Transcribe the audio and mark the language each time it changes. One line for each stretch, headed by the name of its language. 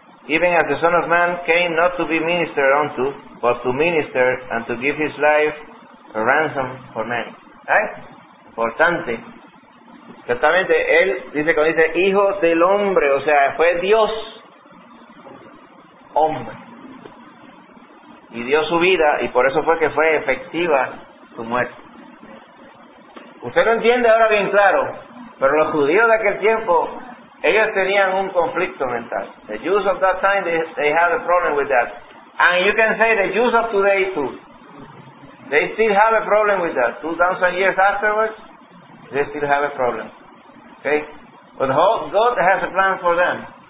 English: Even as the Son of Man came not to be ministered unto, but to minister and to give his life a ransom for many.
Spanish: ¿Eh? Importante. Exactamente, él dice, cuando dice Hijo del Hombre, o sea, fue Dios hombre. Y dio su vida, y por eso fue que fue efectiva su muerte. Usted lo entiende ahora bien claro, pero los judíos de aquel tiempo, ellos tenían un conflicto mental.
English: The Jews of that time, they had a problem with that. And you can say the Jews of today too. They still have a problem with that. 2,000 years afterwards, they still have a problem. Okay? But God has a plan for them.